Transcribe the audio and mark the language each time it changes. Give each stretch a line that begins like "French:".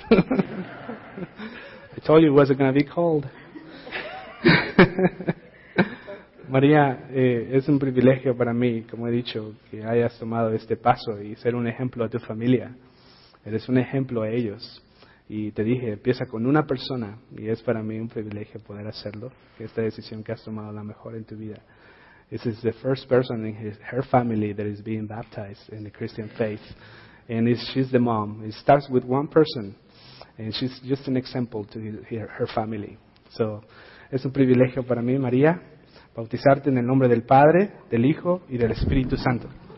English: I told you it wasn't going to be cold.
Spanish: María, es un privilegio para mí, como he dicho, que hayas tomado este paso y ser un ejemplo a tu familia. Eres un ejemplo a ellos. Y te dije, empieza con una persona, y es para mí un privilegio poder hacerlo, que esta decisión que has tomado la mejor en tu vida.
English: This is the first person in her family that is being baptized in the Christian faith. And she's the mom. It starts with one person, and she's just an example to her family.
Spanish: So, es un privilegio para mí, María, bautizarte en el nombre del Padre, del Hijo y del Espíritu Santo.